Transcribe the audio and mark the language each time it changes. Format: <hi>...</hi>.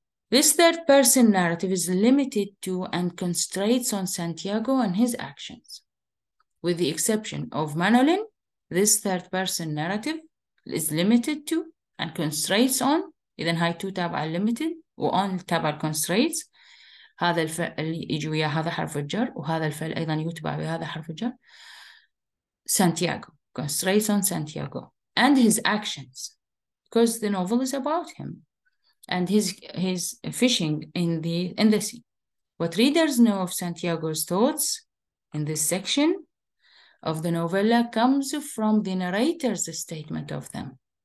<en>This third person narrative is limited to and constrains on Santiago and his actions. With the exception of Manolin, this third person narrative is limited to and constrains on,</en> <ar>إذن هاي تو تابع</ar> <en>limited</en> <ar>وان تابع</ar> <en>constraints.</en> <ar>هذا الفعل اللي يجي ويا هذا حرف الجر وهذا الفعل أيضا يتبع بهذا حرف الجر.</ar> <en>Santiago, constraints on Santiago and his actions, because the novel is about him and his fishing in the sea. What readers know of Santiago's thoughts in this section of the novella comes from the narrator's statement of them.</en>